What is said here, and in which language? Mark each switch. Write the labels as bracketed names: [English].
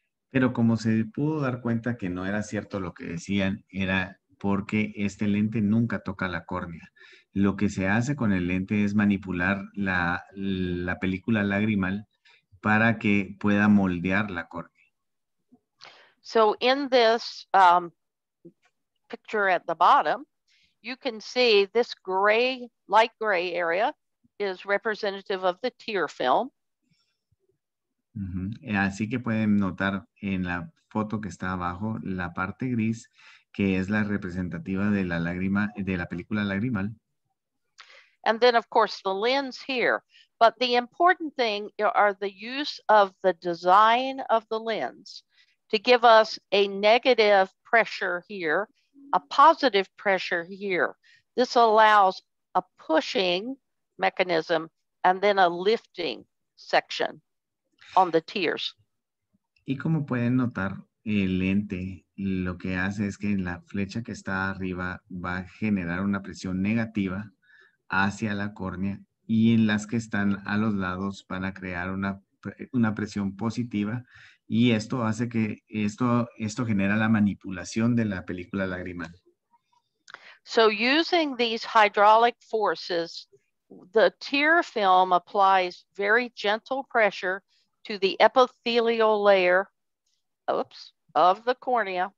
[Spanish] Pero como se pudo dar cuenta que no era cierto lo que decían, era porque este lente nunca toca la córnea. Lo que se hace con el lente es manipular la película lagrimal para que pueda moldear la córnea. [English] So in this picture at the bottom, you can see this gray, light gray area is representative of the tear film. Uh-huh. [Spanish] Así que pueden notar en la foto que está abajo la parte gris que es la representativa de la lágrima de la película lagrimal. [English] And then of course the lens here, but the important thing are the use of the design of the lens to give us a negative pressure here, a positive pressure here. This allows a pushing mechanism and then a lifting section on the tears. [Spanish] Y como pueden notar, el lente lo que hace es que la flecha que está arriba va a generar una presión negativa hacia la córnea y en las que están a los lados van a crear una presión positiva y esto hace que esto genera la manipulación de la película lagrimal. [English] So using these hydraulic forces, the tear film applies very gentle pressure to the epithelial layer, of the cornea.